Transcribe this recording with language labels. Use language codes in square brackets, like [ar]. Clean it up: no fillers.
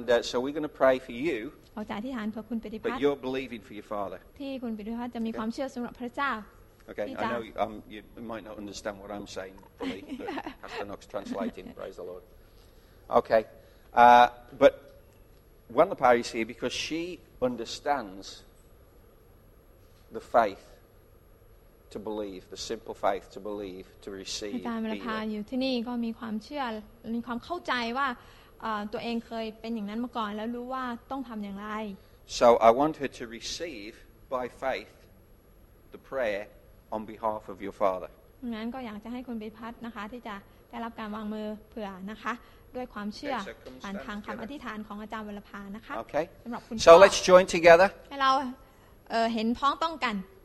[en] So we're going to pray for you. [th] เราจะอธิษฐานเพื่อคุณปิติพัฒน์ [en] But you're believing for your father. [th] ที่คุณปิติพัฒน์จะมีความเชื่อสำหรับพระเจ้า [en] Okay, I know you might not understand what I'm saying, Pastor Knox translating. Praise the Lord. Okay, but Wan Lapa is here because she understands. The faith to believe, the simple faith to believe, to receive. [th] อาจารย์พาอยู่ที่นี่ก็มีความเชื่อมีความเข้าใจว่าตัวเองเคยเป็นอย่างนั้นมาก่อนแล้วรู้ว่าต้องทำอย่างไร [en] So I want her to receive by faith the prayer on behalf of your father. [th] งั้นก็อยากจะให้คุณบิพัฒน์นะคะที่จะได้รับการวางมือเผื่อนะคะด้วยความเชื่อผ่านทางคำอธิษฐานของอาจารย์วรพานะคะ [en] Okay. [th] สำหรับคุณ [en] So let's join together. [th] ให้เราเห็นพ้องต้องกัน